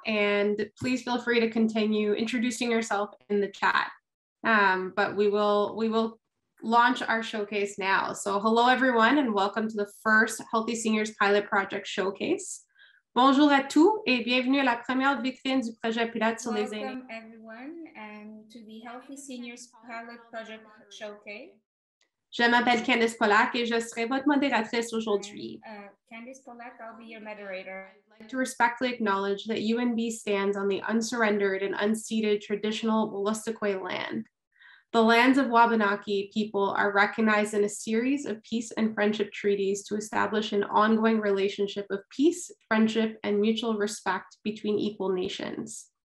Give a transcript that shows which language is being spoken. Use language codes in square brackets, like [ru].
[en] And please feel free to continue introducing yourself in the chat. But we will launch our showcase now. So hello, everyone, and welcome to the first Healthy Seniors Pilot Project Showcase. [fr] Bonjour à tous et bienvenue à la première vitrine du projet Pilote sur les Aînés. [en] Welcome, everyone, and to the Healthy Seniors Pilot Project Showcase. [fr] Je m'appelle Candice Pollack et je serai votre modératrice aujourd'hui. [en] Candice Pollack, I'll be your moderator. I'd like to respectfully acknowledge that UNB stands on the unsurrendered and unceded traditional Wolastoqe land. The lands of Wabanaki people are recognized in a series of peace and friendship treaties to establish an ongoing relationship of peace, friendship, and mutual respect between equal nations.